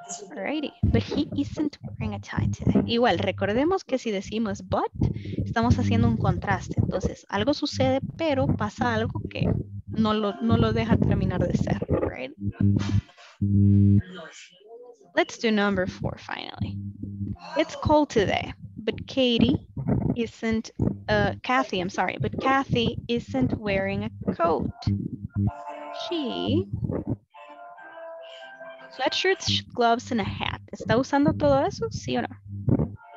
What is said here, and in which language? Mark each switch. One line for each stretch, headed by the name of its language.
English: Alrighty, but he isn't wearing a tie today.
Spanish: Igual, recordemos que si decimos but, estamos haciendo un contraste. Entonces, algo sucede, pero pasa algo que no lo deja terminar de ser, right?
English: Let's do number four, finally. It's cold today, but Kathy isn't wearing a coat. She... Sweatshirts, gloves, and a hat.
Spanish: ¿Está usando todo eso? ¿Sí o no?